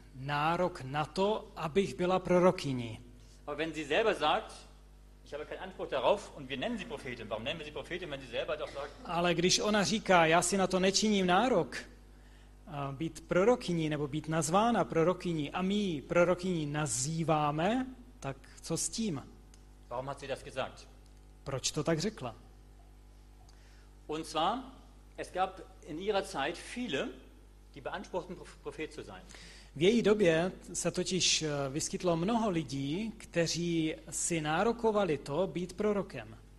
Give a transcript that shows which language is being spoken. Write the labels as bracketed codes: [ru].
[cs] nárok na to, abych byla prorokyní. [de] Aber wenn sie selber sagt, ich habe keinen Anspruch darauf und wir nennen sie Prophetin. Warum nennen wir sie Prophetin, wenn sie selber doch sagt? [cs] Ale když ona říká, já si na to nečiním nárok, být prorokyní nebo být nazvána prorokyní a my prorokyní nazýváme, tak co s tím? [de] Warum hat sie das gesagt? [cs] Proč to tak řekla? [de] Und zwar, es gab in ihrer Zeit viele, die beanspruchten Prophet zu sein. [cs] V její době se totiž vyskytlo mnoho lidí, kteří si nárokovali to být prorokem.